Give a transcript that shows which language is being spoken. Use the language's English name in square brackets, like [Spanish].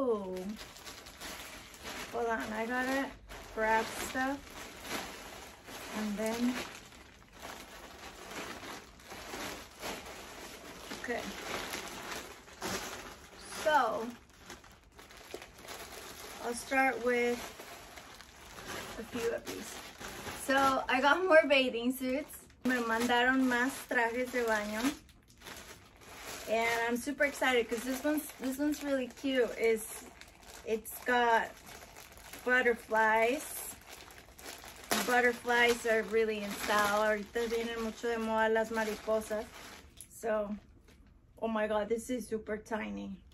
[English] Oh, hold on, I gotta grab stuff, and then, okay, so, I'll start with a few of these. So, I got more bathing suits, [Spanish] me mandaron más trajes de baño. [English] And I'm super excited because this one's really cute. It's got butterflies. Butterflies are really in style. [Spanish] Ahorita vienen mucho de moda las mariposas. [English] So, oh my God, this is super tiny.